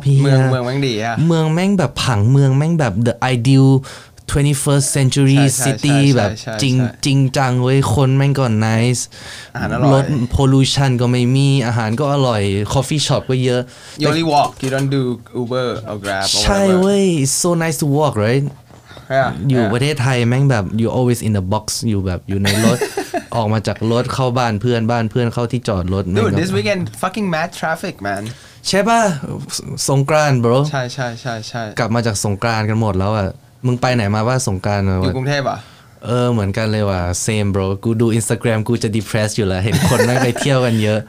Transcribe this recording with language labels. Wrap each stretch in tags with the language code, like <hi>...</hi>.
<th>ตอนนี้กูไปอัมสเตอร์แดมกูชอบสัตว์อ่ะพารินกูชอบเมืองแม่งดีอ่ะเมืองแม่งแบบผังเมืองแม่งแบบ</th> <en>the ideal 21st century city</en> <th>แบบจริงจังเว้ยคนแม่งก็ไนซ์รถ pollution ก็ไม่มีอาหารก็อร่อย coffee shop ก็เยอะ</th> <en>you only walk you don't do uber or grab</en> <th>ใช่เว้ย</th> <en>so nice to walk right</en> <th>อยู่ประเทศไทยแม่งแบบ</th> <en>you always in the box</en> <th>อยู่แบบอยู่ในรถ ออกมาจากรถเข้าบ้านเพื่อนบ้านเพื่อนเข้าที่จอดรถ</th> <en>dude this weekend fucking mad traffic man</en> <th>ใช่ป่ะสงกรานต์ bro ใช่ๆๆๆกลับมาจากสงกรานต์กันหมดแล้วอ่ะ มึงไปไหนมาว่าสงกรานต์อยู่กรุงเทพอ่ะ เหมือนกันเลยว่ะเซมโบรกูดู Instagram กูจะ depress อยู่แล้วเห็นคนนั่งไปเที่ยวกันเยอะ</th>